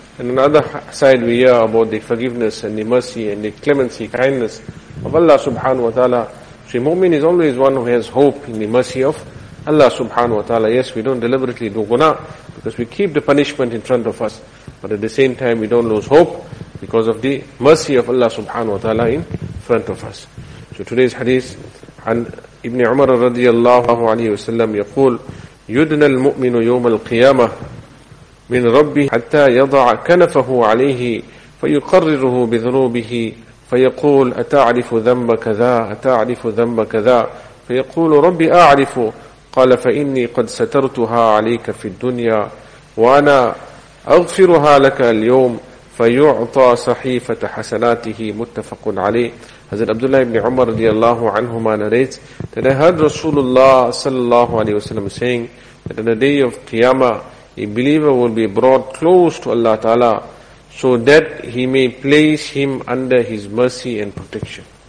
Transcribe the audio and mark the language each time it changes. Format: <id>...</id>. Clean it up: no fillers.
<en>And on the other side we hear about the forgiveness and the mercy and the clemency, kindness of Allah subhanahu wa ta'ala. So a mu'min is always one who has hope in the mercy of Allah subhanahu wa ta'ala. Yes, we don't deliberately do guna because we keep the punishment in front of us. But at the same time we don't lose hope because of the mercy of Allah subhanahu wa ta'ala in front of us. So today's hadith,</en> <ar>عن ابن عمر رضي الله عليه وسلم يقول يدنى المؤمن يوم القيامة من ربه حتى يضع كنفه عليه فيقرره بذنوبه فيقول أتعرف ذنب كذا أتعرف ذنب كذا فيقول ربي أعرف قال فإني قد سترتها عليك في الدنيا وأنا أغفرها لك اليوم فيعطى صحيفة حسناته متفق عليه.</ar> <en>Hazrat Abdullah ibn Umar radiallahu anhuma narrates that I heard Rasulullah sallallahu alayhi wa sallam saying that on the day of Qiyamah, a believer will be brought close to Allah Ta'ala so that he may place him under his mercy and protection.</en>